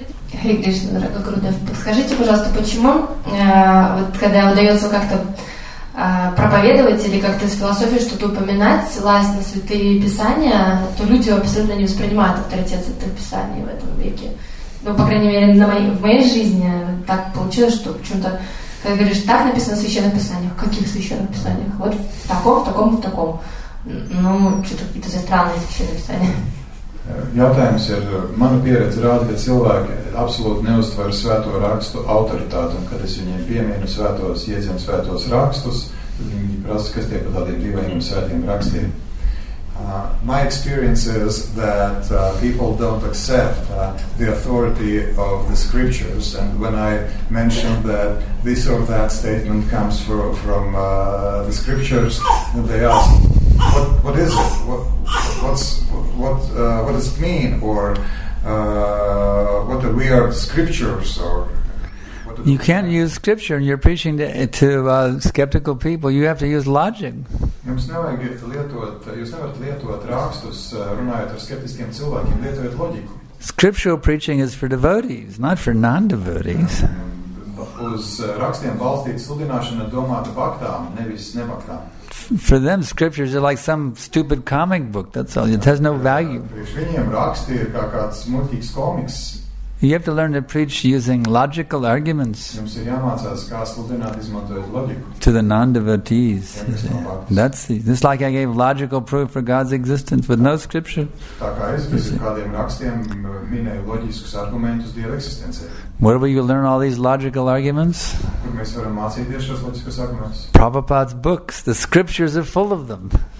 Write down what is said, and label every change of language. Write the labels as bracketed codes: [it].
[ru] Скажите, дорогой Гурудев, подскажите, пожалуйста, почему вот когда удается как-то проповедовать или как-то с философией что-то упоминать, ссылаясь на святые писания, то люди абсолютно не воспринимают авторитет святых писаний в этом веке. Ну, по крайней мере, в моей жизни так получилось, что почему-то, когда говоришь, так написано в священных писаниях, в каких священных писаниях? Вот в таком, в таком, в таком. Ну, что-то какие-то странные священные писания. [lv] Jautājums ir, mana pieredze rāda, ka cilvēki absolūti neuztver svēto rakstu autoritāti, un kad es viņiem pieminu svētos, iedzinu svētos rakstus, tad viņi prasa, kas tie pat tādiem divajiem svētiem rakstiem. [en] My experience is that people don't accept the authority of the scriptures, and when I mention that this or that statement comes from the scriptures, they ask, what is it? What does it mean? Or what are we are scriptures? Or you can't use scripture, and you're preaching to skeptical people. You have to use logic. [lv] Jums nevajag lietot, jūs nevarat lietot rakstus, runājot ar skeptiskiem cilvēkiem, lietojot loģiku. [en] Scriptural preaching is for devotees, not for non-devotees. [lv] uz rakstiem balstīt sludināšana domāt baktām, nevis nebaktām. [en] For them, scriptures are like some stupid comic book. That's all. It has no value. [lv] Viņiem raksti ir kā kāds muļķīgs komiks. [en] You have to learn to preach using logical arguments. [lv] Jums ir jāmācās, kā sludināt, izmantojot logiku. [en] To the non-devotees. It's like I gave logical proof for God's existence with no scripture. [lv] Tā kā es bez kādiem rakstiem minēju loģiskus argumentus Dieva eksistencē. [en] Where will you learn all these logical arguments? [lv] Kur mēs varam mācīties šos loģiskus argumentus? [en] Prabhupāda's books, the scriptures are full of them.